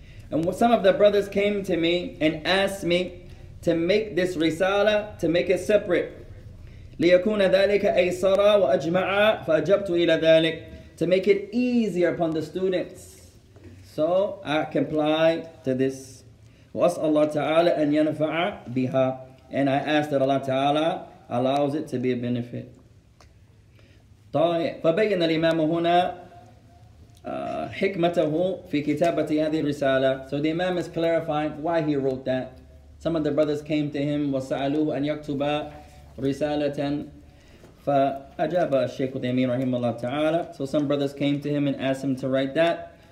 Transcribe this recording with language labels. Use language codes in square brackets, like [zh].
[en] And some of the brothers came to me and asked me to make this risala, to make it separate. [ar] لِيَكُونَ ذَلِكَ أَيْسَرَ وَأَجْمَعَ فَأَجَبْتُ إِلَى ذَلِكَ. [en] to make it easier upon the students. So I comply to this. [ar] وَأَسْأَلَ اللَّهُ تَعَالَى أَنْ يَنْفَعَ بِهَا. [en] And I ask that Allah Ta'ala allows it to be a benefit. [ar] طيب فبين الإمام هنا حكمته في كتابة هذه الرسالة. [en] So the Imam is clarifying why he wrote that. Some of the brothers came to him [ar] وَسَأَلُوهُ أَنْ يَكْتُبَ رِسَالَةً فَأَجَابَ الشَّيْخُ الْأَمِينُ رَحِمَ اللَّهُ تَعَالَى. [en] So some brothers came to him and asked him to write that.